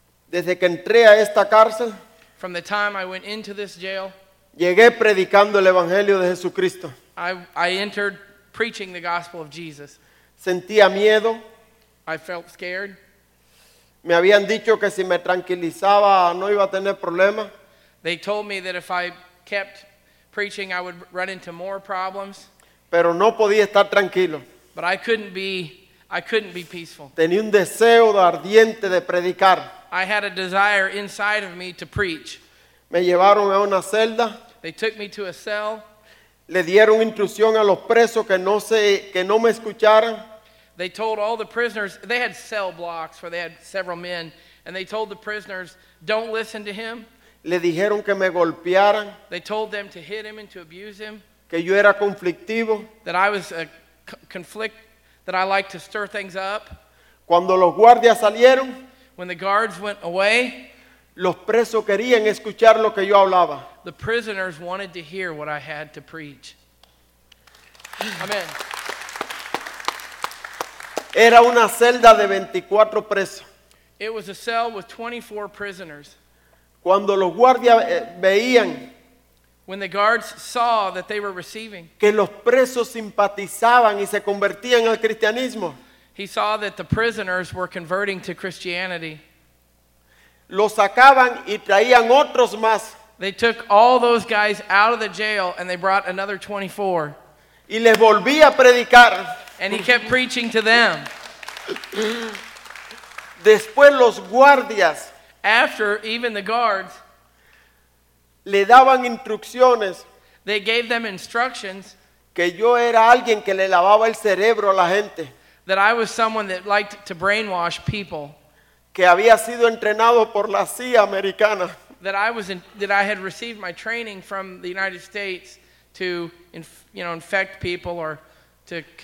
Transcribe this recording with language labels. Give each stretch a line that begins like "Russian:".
Spanish: Desde que entré a esta cárcel.
English: From the time I went into this jail.
Spanish: Llegué predicando el evangelio de Jesucristo.
English: I entered preaching the gospel of Jesus.
Spanish: Sentía miedo.
English: I felt scared.
Spanish: Me habían dicho que si me tranquilizaba no iba a tener problema.
English: They told me that if I kept preaching I would run into more problems.
Spanish: Pero no podía estar tranquilo.
English: But I couldn't be peaceful.
Spanish: Tenía un deseo ardiente de predicar.
English: I had a desire inside of me to preach.
Spanish: Me llevaron a una celda.
English: They took me to a cell.
Spanish: Le dieron instrucción a los presos que no me escucharan.
English: They told all the prisoners, they had cell blocks where they had several men, and they told the prisoners, don't listen to him.
Spanish: Le dijeron que me golpearan.
English: They told them to hit him and to abuse him.
Spanish: Que yo era conflictivo.
English: That I was a conflict, that I liked to stir things up.
Spanish: Cuando los guardias salieron,
English: when the guards went away,
Spanish: los presos querían escuchar lo que yo hablaba.
English: The prisoners wanted to hear what I had to preach. Amen.
Spanish: Era una celda de 24 presos.
English: It was a cell with 24 prisoners.
Spanish: Cuando los guardias veían,
English: when the guards saw that they were receiving,
Spanish: que los presos simpatizaban y se convertían al cristianismo,
English: he saw that the prisoners were converting to Christianity.
Spanish: Los sacaban y traían otros más.
English: They took all those guys out of the jail and they brought another 24.
Spanish: Y les volví a predicar.
English: And he kept preaching to them.
Spanish: Después los guardias.
English: After even the guards.
Spanish: Le daban instrucciones.
English: They gave them instructions.
Spanish: Que yo era alguien que le lavaba el cerebro a la gente.
English: That I was someone that liked to brainwash people.
Spanish: Que había sido entrenado por la CIA americana.
English: That I had received my training from the United States to, you know, infect people or to.